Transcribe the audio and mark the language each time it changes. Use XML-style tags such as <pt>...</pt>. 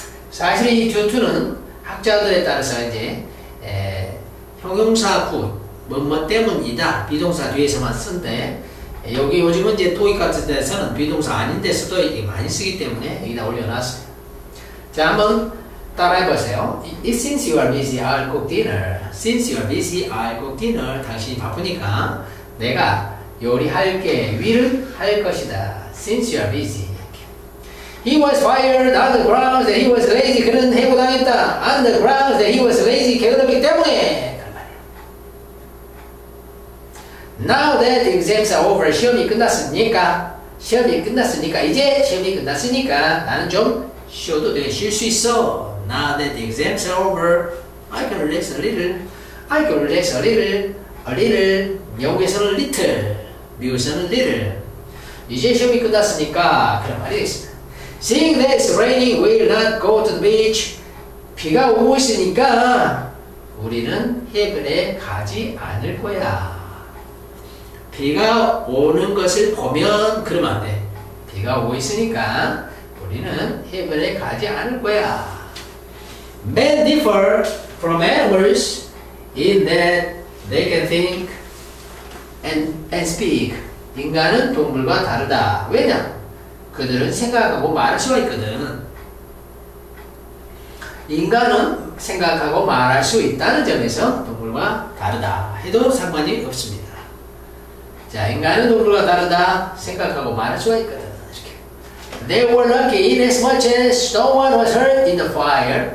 <ko>사실 이 due to는 학자들에 따라서 이제 형용사 후 뭐뭐 때문이다 비동사 뒤에서만 쓴데 여기 요즘은 이제 TOEIC 같은 데서는 비동사 아닌데서도 이게 많이 쓰기 때문에 여기다 올려놨어요. 자, 한번 따라해보세요.</ko> <en>Since you are busy, I'll cook dinner. Since you are busy, I'll cook dinner.</en> <ko>당신이 바쁘니까 내가 요리할게.</ko> <en>Will</en> <ko>할 것이다.</ko> <en>Since you are busy. He was fired on the grounds that he was lazy.</en> <ko>그는 해고당했다.</ko> <en>On the grounds that he was lazy.</en> <ko>게으르기 때문에.</ko> <en>Now that exams are over.</en> <ko>시험이 끝났으니까. 시험이 끝났으니까. 이제 시험이 끝났으니까. 나는 좀 쉬어도 돼. 쉴 수 있어.</ko> <en>Now that the exams are over, I can relax a little. I can relax a little. A little.</en> <ko>영국에서는 little. 미국에서는 little. 이제 시험이 끝났으니까. 그런 말이 됐습니다.</ko> <en>Seeing that it's raining, we'll not go to the beach.</en> <ko>비가 오고 있으니까 우리는 해변에 가지 않을 거야. 비가 오는 것을 보면 그러면 안 돼. 비가 오고 있으니까 우리는 해변에 가지 않을 거야.</ko> <en>Men differ from animals in that they can think and speak.</en> <ko>인간은 동물과 다르다. 왜냐? 그들은 생각하고 말할 수가 있거든. 인간은 생각하고 말할 수 있다는 점에서 동물과 다르다 해도 상관이 없습니다. 자, 인간은 동물과 다르다. 생각하고 말할 수가 있거든.</ko> <en>They were lucky inasmuch as no one was hurt in the fire.</en>